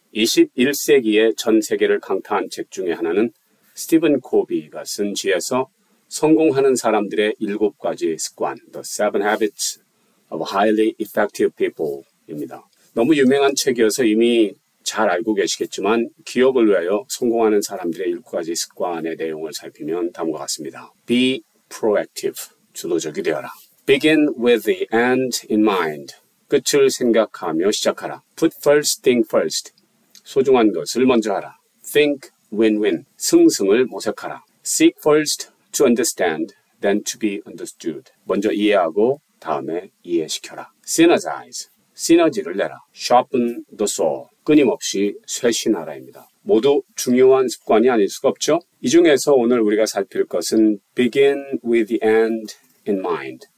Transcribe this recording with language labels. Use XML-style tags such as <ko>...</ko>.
<ko>21세기의 전 세계를 강타한 책 중에 하나는 스티븐 코비가 쓴 지혜서 성공하는 사람들의 7가지 습관 The 7 Habits of Highly Effective People입니다. 너무 유명한 책이어서 이미 잘 알고 계시겠지만 기억을 위하여 성공하는 사람들의 7가지 습관의 내용을 살피면 다음과 같습니다.</ko> <en>Be proactive.</en> <ko>주도적이 되어라.</ko> <en>Begin with the end in mind.</en> <ko>끝을 생각하며 시작하라.</ko> <en>Put first thing first.</en> <ko>소중한 것을 먼저 하라.</ko> <en>Think win-win.</en> <ko>승승을 모색하라.</ko> <en>Seek first to understand, then to be understood.</en> <ko>먼저 이해하고 다음에 이해시켜라.</ko> <en>Synergize.</en> <ko>시너지를 내라.</ko> <en>Sharpen the saw.</en> <ko>끊임없이 쇄신하라입니다. 모두 중요한 습관이 아닐 수가 없죠. 이 중에서 오늘 우리가 살필 것은</ko> <en>Begin with the end in mind.</en>